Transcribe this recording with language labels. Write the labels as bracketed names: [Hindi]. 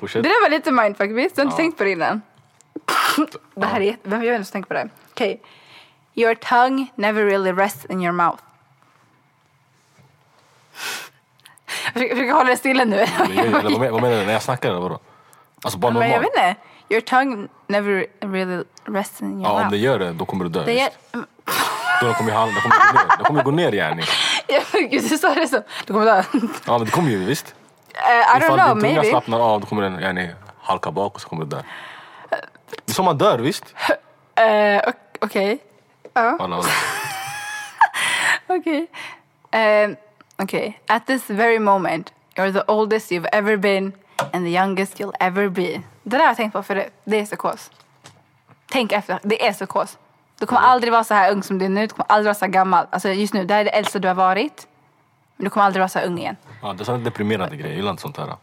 [Swedish] Okay. Det där var lite mindfuck, visst? Du har inte tänkt på det innan. Det här är jätte... Vem har ju ens tänkt på det? Okej. Okay. [English] Your tongue never really rests in your mouth. [Swedish] Jag försöker hålla det stilla nu. Vad menar du? När jag snackar eller vadå? Alltså bara normalt. Men jag vet inte. [English] Your tongue never really rests in your mouth. [Swedish] Ja, om det gör det, då kommer du dö. Då kommer jag gå ner. Då kommer jag gå ner i hjärnan. Gud, du sa det så. Du kommer dö. Ja, men det kommer ju, visst. [English] I don't know, maybe. [Swedish] Ifall din tunga slappnar av, då kommer den hjärnan halka bak och så kommer du dö. Det är som man dör, visst. Okej. Ja. Okej. [English] Okay, at this very moment, you're the oldest you've ever been and the youngest you'll ever be. [Swedish] Det där har jag tänkt på förut. Det är så kos. Tänk efter. Det är så kos. Du kommer aldrig vara så här ung som du är nu. Du kommer aldrig vara så gammal. Alltså just nu, det är det äldsta du har varit. Men du kommer aldrig vara så ung igen. Ja, det är en deprimerande grej. Jag gillar inte sånt här.